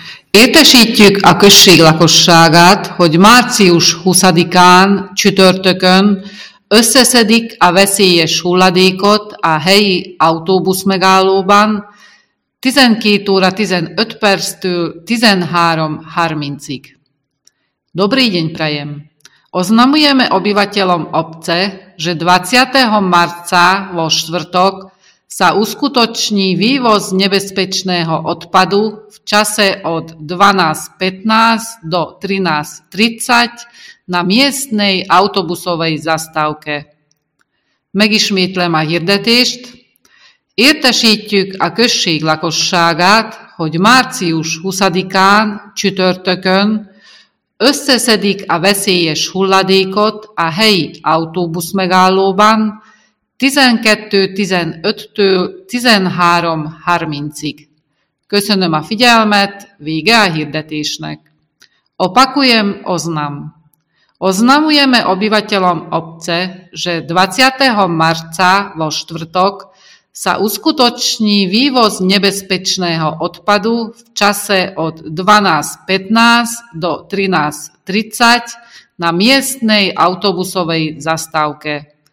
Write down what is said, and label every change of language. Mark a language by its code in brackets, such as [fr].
[hu] Értesítjük a község lakosságát, hogy március 20-án csütörtökön összeszedik a veszélyes hulladékot a helyi autóbusz megállóban 12 óra 15 perctől 13:30-ig. [sk] Dobrý deň prajem! Oznamujeme obyvateľom obce, že 20. marca vo štvrtok sa uskutoční vývoz nebezpečného odpadu v čase od 12:15 do 13:30 na miestnej autobusovej zastávke. [hu] Megismétlem a hirdetést. Értesítjük a község lakosságát, hogy március 20-án csütörtökön összeszedik a veszélyes hulladékot a helyi autóbusz megállóban 12:15-től 13:30-ig. Köszönöm a figyelmet, vége a hirdetésnek. [sk] Opakujem oznam. Oznamujeme obyvateľom obce, že 20. marca vo štvrtok sa uskutoční vývoz nebezpečného odpadu v čase od 12:15 do 13:30 na miestnej autobusovej zastávke.